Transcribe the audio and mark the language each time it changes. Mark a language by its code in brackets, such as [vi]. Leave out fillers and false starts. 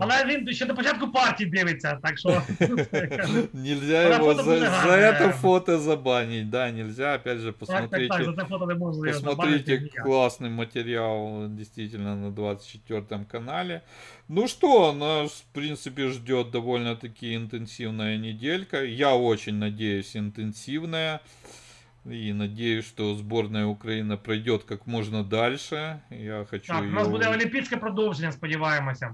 [uk] Але він ще до початку партії дивиться, так що. [ru] Нельзя його за это фото забанить, да, нельзя. Опять же, посмотрите. [uk] Так, за це фото не можна забанити. Посмотрите класний матеріал дійсно на 24-м каналі. [ru] Ну что, нас, в принципе, ждет довольно-таки интенсивная неделька. Я очень надеюсь, интенсивная. И надеюсь, что сборная Украины пройдет как можно дальше. Я хочу. Так, у нас будет олимпийское продолжение, [uk] сподіваємося.